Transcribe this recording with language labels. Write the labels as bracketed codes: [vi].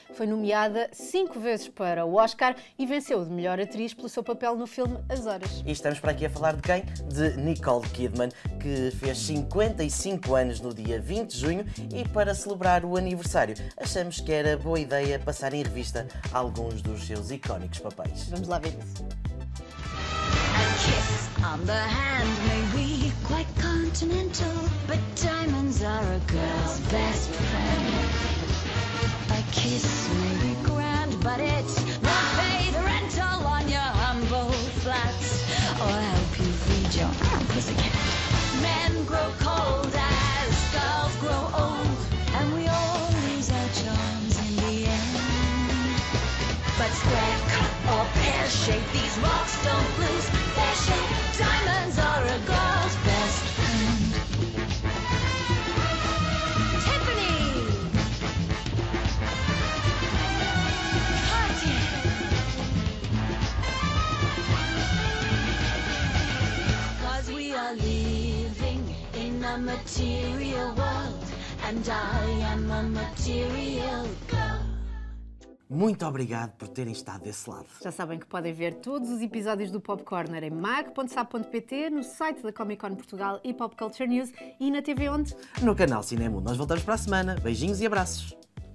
[pt] Foi nomeada 5 vezes para o Oscar e venceu de melhor atriz pelo seu papel no filme As Horas. E estamos para aqui a falar de quem? De Nicole Kidman, que fez 55 anos no dia 20 de junho e para celebrar o aniversário achamos que era boa ideia passar em revista alguns dos seus icónicos papéis. Vamos lá ver isso. [en] A kiss on the hand may be quite continental, but diamonds are a girl's best friend. A kiss may be grand, but it won't pay the rental on your humble flat or help you feed your pussycat. Men grow cold as girls grow old, and we all lose our charms in the end. But square cut or pear shape, these rocks don't lose. Diamonds are a girl's best friend. Tiffany, Cartier. 'Cause we are living in a material world, and I am a material girl. [pt] Muito obrigado por terem estado desse lado. Já sabem que podem ver todos os episódios do Pop Corner em mag.sa.pt, no site da Comic Con Portugal e Pop Culture News, e na TV onde? No canal Cinemundo. Nós voltamos para a semana. Beijinhos e abraços.